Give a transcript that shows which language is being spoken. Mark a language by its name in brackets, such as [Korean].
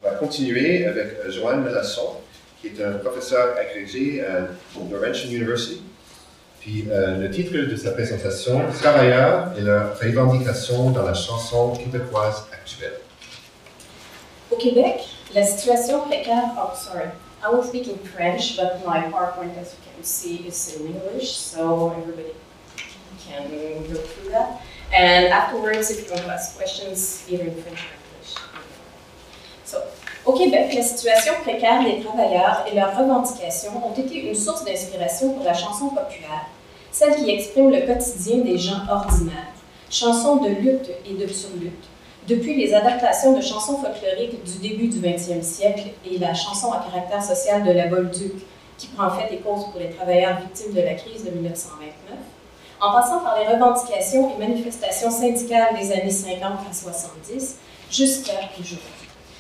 [French] continuer avec Joanne Melasson, qui est un professeur agrégé à Laurentian University. Puis le titre de sa présentation, Travailleurs et leur revendication dans la chanson québécoise actuelle. Au Québec, la situation précaire. [English] Oh, sorry. I will speak in French, but my PowerPoint, as you can see, is in English, so everybody can go through that. And afterwards, if you want to ask questions, either in French or English. [French] So, au Québec, la situation précaire des travailleurs et leurs revendications ont été une source d'inspiration pour la chanson populaire, celle qui exprime le quotidien des gens ordinaires, chanson de lutte et de surlutte. Depuis les adaptations de chansons folkloriques du début du 20e siècle et la chanson à caractère social de la Bolduc, qui prend fait et cause pour les travailleurs victimes de la crise de 1929, en passant par les revendications et manifestations syndicales des années 50 à 70, jusqu'à aujourd'hui.